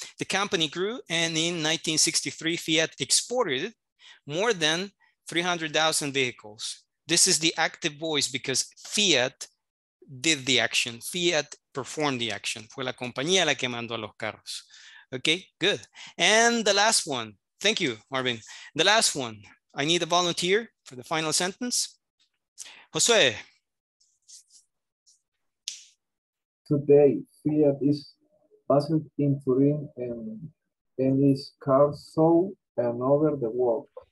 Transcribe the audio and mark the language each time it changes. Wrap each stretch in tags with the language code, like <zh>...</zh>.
<en>The company grew and in 1963, Fiat exported more than 300,000 vehicles. This is the active voice because Fiat did the action. Fiat performed the action.</en> <es>Fue la compañía la que mandó los carros.</es> <en>Okay, good. And the last one. Thank you, Marvin. The last one. I need a volunteer for the final sentence. Josué. Today, Fiat is based in Turin and its cars sold all over the world.</en>